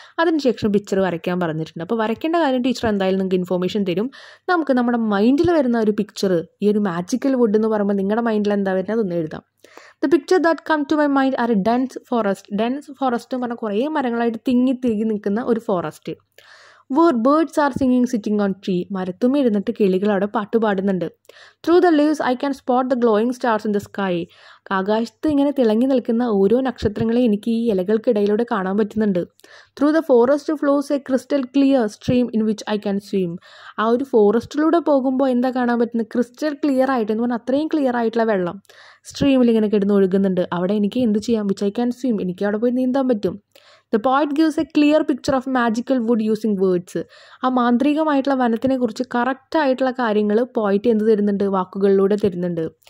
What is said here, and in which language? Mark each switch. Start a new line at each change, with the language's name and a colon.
Malayalam: അതിനുശേഷം പിക്ചർ വരയ്ക്കാൻ പറഞ്ഞിട്ടുണ്ട്. അപ്പോൾ വരയ്ക്കേണ്ട കാര്യം ടീച്ചർ എന്തായാലും നിങ്ങൾക്ക് ഇൻഫോർമേഷൻ തരും. നമുക്ക് നമ്മുടെ മൈൻഡിൽ വരുന്ന ഒരു പിക്ചർ, ഈ ഒരു മാജിക്കൽ വുഡ് എന്ന് പറയുമ്പോൾ നിങ്ങളുടെ മൈൻഡിൽ എന്താ വരുന്നത് അതൊന്ന് എഴുതാം.
English: The picture that come to my mind are a dense forest.
Malayalam: Dense forest എന്ന് പറഞ്ഞാൽ കുറേ മരങ്ങളായിട്ട് തിങ്ങി തിരികി നിൽക്കുന്ന ഒരു forest.
English: Where birds are singing sitting on tree.
Malayalam: മരത്തും ഇരുന്നിട്ട് കിളികൾ അവിടെ പാട്ട് പാടുന്നുണ്ട്.
English: Through the leaves I can spot the glowing stars in the sky.
Malayalam: ആകാശത്ത് ഇങ്ങനെ തിളങ്ങി നിൽക്കുന്ന ഓരോ നക്ഷത്രങ്ങളെയും എനിക്ക് ഈ ഇലകൾക്കിടയിലൂടെ കാണാൻ പറ്റുന്നുണ്ട്.
English: Through the forest flows a crystal clear stream in which I can swim.
Malayalam: ആ ഒരു ഫോറസ്റ്റിലൂടെ പോകുമ്പോൾ എന്താ കാണാൻ പറ്റുന്നത്? ക്രിസ്റ്റൽ ക്ലിയർ ആയിട്ട് എന്ന് പറഞ്ഞാൽ അത്രയും ക്ലിയർ ആയിട്ടുള്ള വെള്ളം സ്ട്രീമിൽ ഇങ്ങനെ കിടന്ന് ഒഴുകുന്നുണ്ട്. അവിടെ എനിക്ക് എന്ത് ചെയ്യാം?
English: Which I can swim.
Malayalam: എനിക്ക് അവിടെ പോയി നീന്താൻ പറ്റും.
English: The poet gives a clear picture of magical wood using words.
Malayalam: ആ മാന്ത്രികമായിട്ടുള്ള വനത്തിനെ കുറിച്ച് കറക്റ്റായിട്ടുള്ള കാര്യങ്ങൾ പോയിട്ട് എന്ത് തരുന്നുണ്ട്? വാക്കുകളിലൂടെ തരുന്നുണ്ട്.